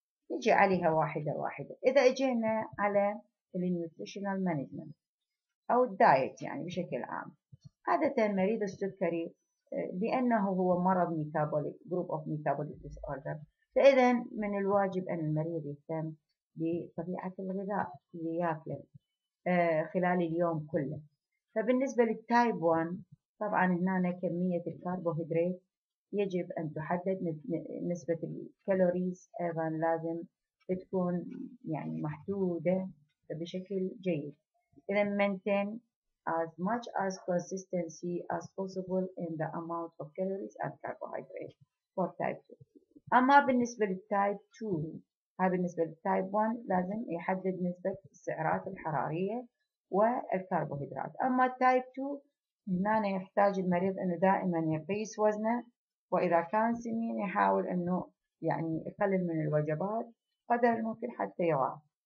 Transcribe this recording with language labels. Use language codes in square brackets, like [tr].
[ar] نجي عليها واحدة واحدة. إذا أجينا على النيوتريشنال مانجمنت أو الدايت يعني بشكل عام، عادة مريض السكري لأنه هو مرض ميتابوليك [en] group of metabolic disorder، [ar] فإذا من الواجب أن المريض يهتم بطبيعة الغذاء اللي يأكله خلال اليوم كله. فبالنسبة للتايب 1 طبعا هنا كمية الكربوهيدرات يجب أن تحدد، نسبة الكالوريز أيضا لازم تكون يعني محدودة بشكل جيد. [en] إذا maintain as much as consistency as possible in the amount of calories and carbohydrates for type 2. [ar] أما بالنسبة للتايب 2، هاي بالنسبة للتايب 1 لازم يحدد نسبة السعرات الحرارية والكربوهيدرات. أما التايب 2 هنا يحتاج المريض أنه دائما يقيس وزنه، وإذا كان سمين يحاول أنه يعني يقلل من الوجبات قدر الممكن حتى يوافق.